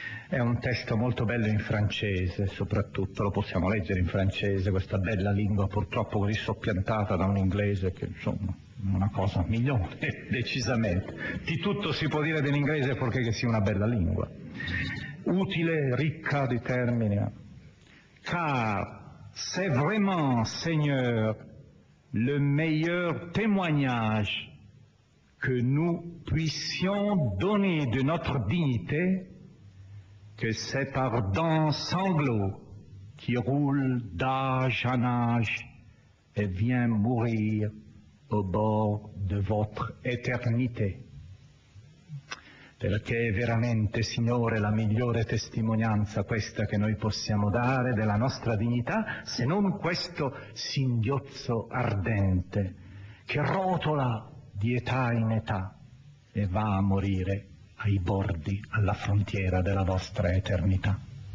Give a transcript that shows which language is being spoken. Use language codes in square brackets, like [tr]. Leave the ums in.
[it] È un testo molto bello in francese, soprattutto lo possiamo leggere in francese, questa bella lingua purtroppo così soppiantata da un inglese che insomma è una cosa migliore decisamente. Di tutto si può dire dell'inglese purché che sia una bella lingua. Utile, ricca di termini. [fr] Car c'est vraiment, Seigneur, le meilleur témoignage que nous puissions donner de notre dignité que cet ardent sanglot qui roule d'âge en âge et vient mourir au bord de votre éternité. [it] Perché è veramente, Signore, la migliore testimonianza questa che noi possiamo dare della nostra dignità, se non questo singhiozzo ardente che rotola di età in età e va a morire ai bordi, alla frontiera della vostra eternità.